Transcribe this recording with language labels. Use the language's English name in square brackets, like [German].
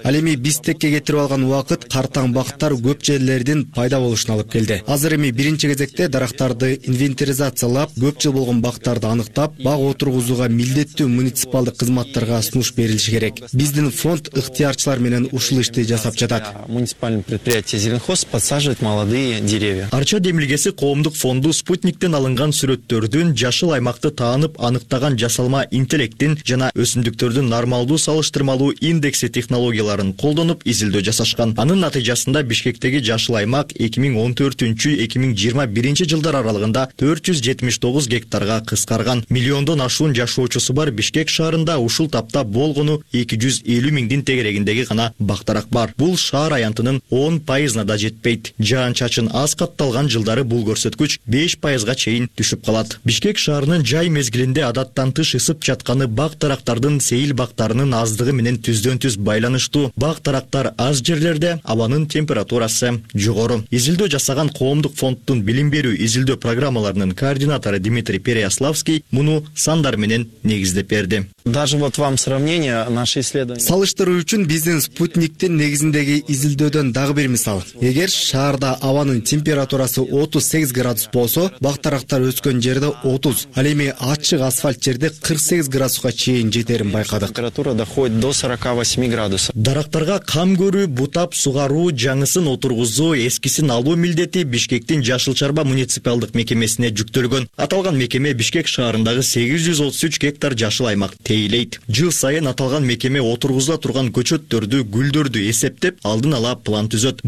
[Kyrgyz] Ал эми бизтекке кетирип алган убакыт картаң бактар көп жерде лердин пайда болушуна алып келди. Азыр эми биринчи кезекте дарактарды инвентаризациялап, көп жыл болгон бактарды аныктап, бак отургузууга милдеттүү муниципалдык кызматтарга сунуш берилиши керек. Биздин фонд ыктыярчылар менен ушул ишти жасап жатат. [Russian] Муниципальное предприятие Зеленхоз подсаживает молодые деревья. [Kyrgyz] Арча демилгеси коомдук фонду спутниктен алынган сүрөттөрдүн жашыл аймакты таанып аныктаган жасалма интеллекттин жана өсүмдүктөрдүн нормалдуу салыштырмалуу индекси технологияларын колдонуп изилдөө жасашкан. Анын натыйжасында Бишкектеги жашыл аймак 2014-2021 жылдар аралыгында 479 гектарга кыскарган. Миллиондон ашуун жашоочусу бар Бишкек шаарында ушул тапта болгону 250 миңдин тегерегиндеги гана бактарак бар. Бул шаар аянтынын 10% да жетпейт. Жаан-чачын аз катталган жылдары бул көрсөткүч 5% чейин түшүп калат. Бишкек шаарынын жай мезгилинде адаттан тыш ысып жатканы бак тарактардын сейил бактарынын аздыгы менен түздөн-түз байланыштуу. Бак тарактар аз жерлерде абанын температурасы жогору. Изилдөө жасаган коомдук фонддун билим берүү изилдөө программаларынын координатору Дмитрий Переяславский муну сандар менен негиздеп берди. [Russian] Даже вот вам сравнение наши исследования. [Kyrgyz] Салыштыруу үчүн биздин спутниктин негизиндеги изилдөөдөн дагы бир мисал. Эгер шаарда абанын температурасы 38 градус болсо, бак тарактар өскөн жерде 30, ал эми ачык асфальт жерде 48 градуска чейин жетерин байкадык. [Russian] Температура доходит до 48 градусов. [Kyrgyz] Дарактарга кам көрүү, бутап сугаруу, жаңысын отургузуу, эскисин алуу милдети Бишкектин жашыл чарба муниципалдык мекемесине жүктөлгөн. Аталган мекеме Бишкек шаарындагы 833 гектар жашыл аймак тейлейт. Жыл сайын аталган мекеме отургузула турган көчөттөрдү, гүлдөрдү эсептеп, алдын ала план түзөт.